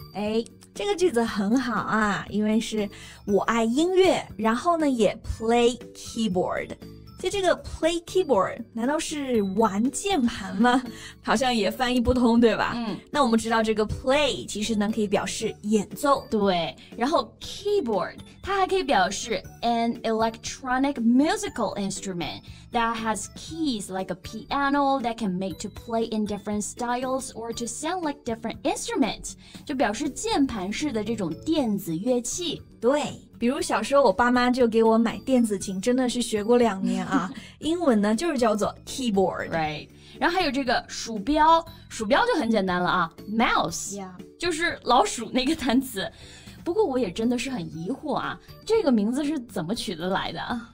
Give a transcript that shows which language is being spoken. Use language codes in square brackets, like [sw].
[zh] 哎，这个句子很好啊，因为是我爱音乐，然后呢也 play keyboard。就这个 play keyboard 难道是玩键盘吗？好像也翻译不通，对吧？嗯，那我们知道这个 play 其实呢可以表示演奏，对，然后 [en] keyboard [zh] 它还可以表示 [en] an electronic musical instrument that has keys like a piano that can make to play in different styles or to sound like different instruments， [zh] 就表示键盘式的这种电子乐器。对，比如小时候我爸妈就给我买电子琴，真的是学过两年啊。英文呢就是叫做 keyboard， [en] right？ [zh] 然后还有这个鼠标，鼠标就很简单了啊， mouse， [en] yeah， [zh] 就是老鼠那个单词。不过我也真的是很疑惑啊，这个名字是怎么取得来的？